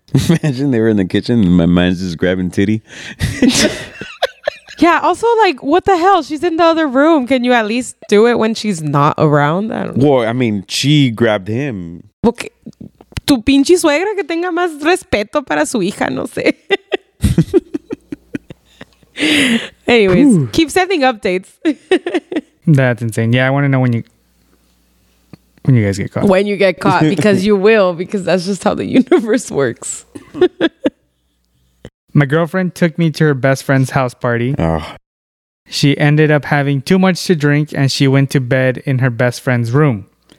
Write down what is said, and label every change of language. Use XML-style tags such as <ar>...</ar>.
<en>Imagine they were in the kitchen and my man's just grabbing titty. Yeah, also, like, what the hell? She's in the other room. Can you at least do it when she's not around? I don't know. I mean, she grabbed him.</en> <es>Tu pinche suegra que tenga más respeto para su hija, no sé.</es> <en>Anyways, keep sending updates. That's insane. Yeah, I want to know when you guys get caught. When you get caught, because you will, because that's just how the universe works. My girlfriend took me to her best friend's house party. Oh. She ended up having too much to drink, and she went to bed in her best friend's room.</en>